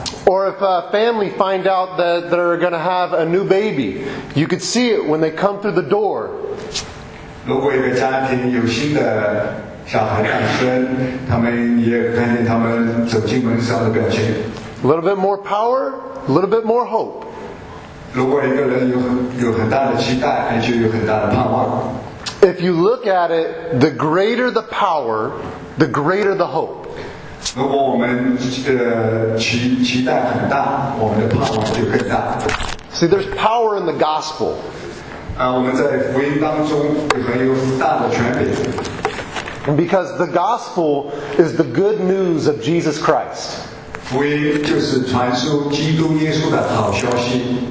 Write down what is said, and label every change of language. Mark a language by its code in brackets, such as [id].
[en] Or if a family find out that they're going to have a new baby, you could see it when they come through the door. [zh] 如果一个家庭有新的小孩诞生，他们也看见他们走进门时候的表情。 [en] A little bit more power, a little bit more hope. [zh] 如果一个人有很大的期待，那就有很大的盼望。 [en] If you look at it, the greater the power, the greater the hope. [zh] 如果我们期待很大，我们的盼望就更大。 [en] See, there's power in the gospel. [zh] 我们在福音当中有很有大的权柄。 [en] Because the gospel is the good news of Jesus Christ. [zh] 福音就是传述基督耶稣的好消息。